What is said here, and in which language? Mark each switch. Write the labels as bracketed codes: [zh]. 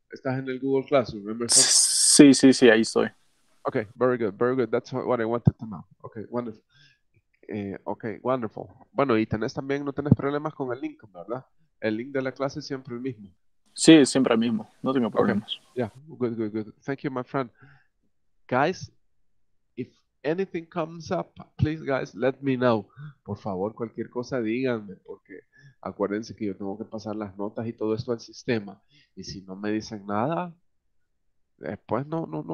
[es] ¿Estás en el Google Classroom, Emerson? Sí, ahí estoy. [en] Ok, very good. That's what I wanted to know. Okay, wonderful. [es] Bueno, y no tenés problemas con el link, ¿verdad? El link de la clase es siempre el mismo. Sí, siempre el mismo. No tengo problemas. [en] Good. Thank you, my friend. Guys, if anything comes up, please, guys, let me know. [es] Por favor, cualquier cosa, díganme, porque acuérdense que yo tengo que pasar las notas y todo esto al sistema. Y si no me dicen nada, después no.